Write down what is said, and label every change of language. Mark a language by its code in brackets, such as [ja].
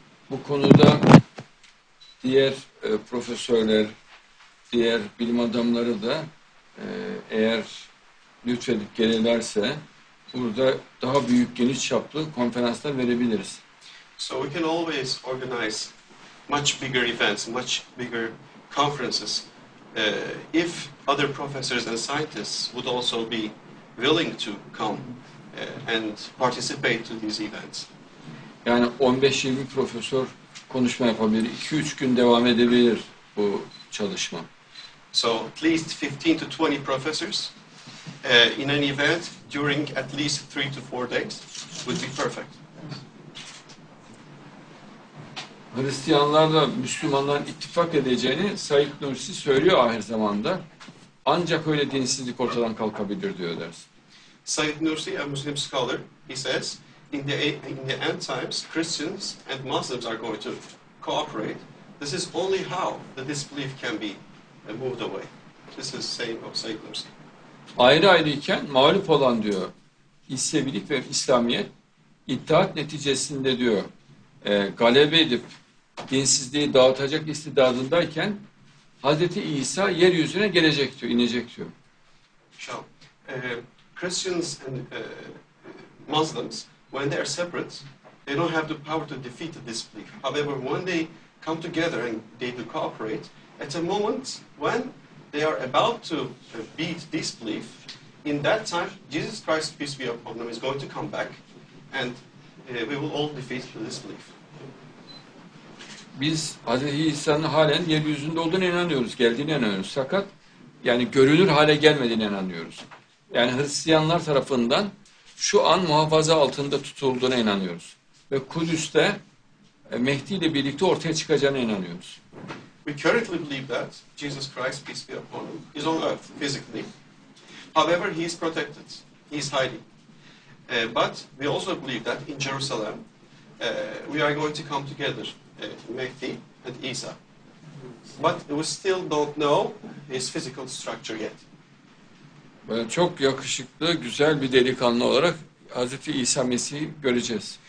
[tr] Bu konuda diğer profesörler, diğer bilim adamları da eğer lütfedip gelirlerse burada daha büyük geniş çaplı konferanslar verebiliriz. [en] So we can always organize much bigger events, much bigger conferences if other professors and scientists would also be willing to come and participate to these events. [tr] Yani 15-20 profesör konuşma yapabilir, 2-3 gün devam edebilir bu çalışma. [en] So at least 15 to 20 professors in an event during at least 3 to 4 days would be perfect. [tr] Hristiyanlarla Müslümanların ittifak edeceğini Said Nursi söylüyor ahir zamanda. Ancak öyle dinsizlik ortadan kalkabilir diyor ders. [en] Said Nursi, a Muslim scholar, he says in the end times Christians and Muslims are going to cooperate. This is only how the disbelief can be moved away. This is saying of Said Nursi. [tr] Ayrı ayrıyken mağlup olan diyor, İslamilik ve İslamiyet ittihat neticesinde diyor, galebe edip dinsizliği dağıtacak istidadındayken Hazreti İsa yeryüzüne gelecek diyor, inecek diyor. [en] So, Christians and Muslims, when they are separate, they don't have the power to defeat the disbelief. However, when they come together and they do cooperate, at a moment when they are about to beat disbelief, in that time, Jesus Christ, peace be upon them, is going to come back and we will all defeat the disbelief. [tr] Biz Hazreti İsa'nın halen yeryüzünde olduğuna inanıyoruz, geldiğine inanıyoruz. Fakat yani görünür hale gelmediğine inanıyoruz. Yani Hristiyanlar tarafından şu an muhafaza altında tutulduğuna inanıyoruz. Ve Kudüs'te Mehdi ile birlikte ortaya çıkacağına inanıyoruz. [en] We currently believe that Jesus Christ, peace be upon him, is on earth physically. However, he is protected. He is hiding. But we also believe that in Jerusalem, we are going to come together, Mehdi and Isa. But we still don't know his physical structure yet. [tr] Ben çok yakışıklı, güzel bir delikanlı olarak Hazreti İsa Mesih'i göreceğiz.